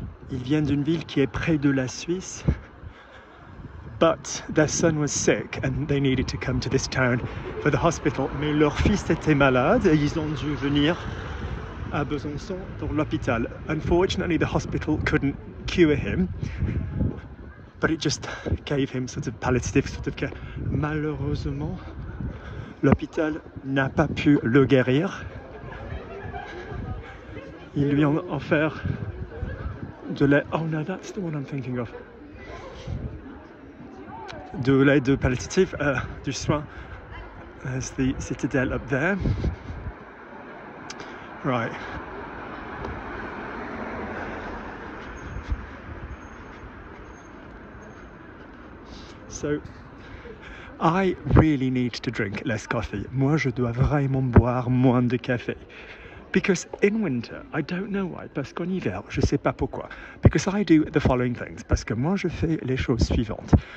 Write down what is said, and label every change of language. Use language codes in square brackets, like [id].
[fr] Ils viennent d'une ville qui est près de la Suisse. [en] But their son was sick and they needed to come to this town for the hospital. [fr] Mais leur fils était malade et ils ont dû venir à Besançon pour l'hôpital. [en] Unfortunately, the hospital couldn't cure him, but it just gave him sort of palliative sort of care. [fr] Malheureusement, l'hôpital n'a pas pu le guérir. Ils lui ont offert de l'aide... [en] Oh no, that's the one I'm thinking of. [fr] De l'aide palliative, du soin. [en] There's the citadel up there. Right. So, I really need to drink less coffee. [fr] Moi, je dois vraiment boire moins de café. [en] Because in winter, I don't know why, [fr] parce qu'en hiver, je sais pas pourquoi. [en] Because I do the following things. [fr] Parce que moi, je fais les choses suivantes.